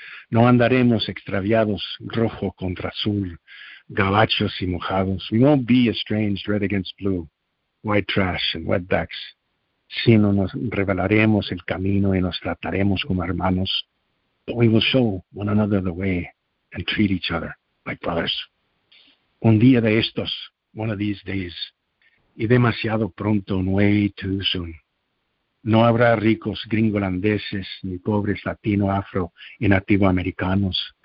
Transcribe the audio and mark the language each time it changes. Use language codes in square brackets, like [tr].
[es] No andaremos extraviados, rojo contra azul, gabachos y mojados. [en] We won't be estranged, red against blue, white trash and wetbacks. [es] Sino nos revelaremos el camino y nos trataremos como hermanos. [en] But we will show one another the way and treat each other like brothers. [es] Un día de estos, [en] one of these days, [es] y demasiado pronto, [en] way too soon. [es] No habrá ricos gringolandeses, ni pobres latino, afro, y nativo americanos.